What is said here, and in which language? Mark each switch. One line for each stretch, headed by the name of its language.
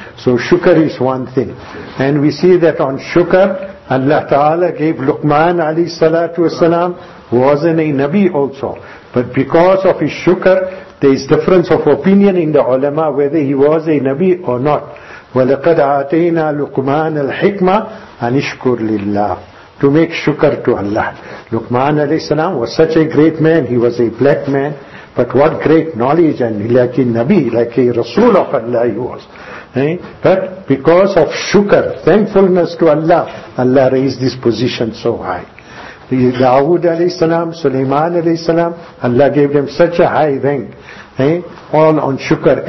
English: So shukr is one thing. And we see that on shukr, Allah Ta'ala gave Luqman alayhi salatu wasalam, who wasn't a Nabi also. But because of his shukr, there is difference of opinion in the ulama whether he was a Nabi or not.
Arabic: وَلَقَدْ عَاتَيْنَا لُقْمَانَ الْحِكْمَةَ أَنِشْكُرْ لِلَّهِ.
English: To make shukr to Allah. Luqman alayhi salam was such a great man. He was a black man. But what great knowledge, and like a Nabi, like a Rasul of Allah he was. But because of shukr, thankfulness to Allah, Allah raised this position so high. Dawood alayhi salam, Sulaiman alayhi salam, Allah gave them such a high rank. All on shukr.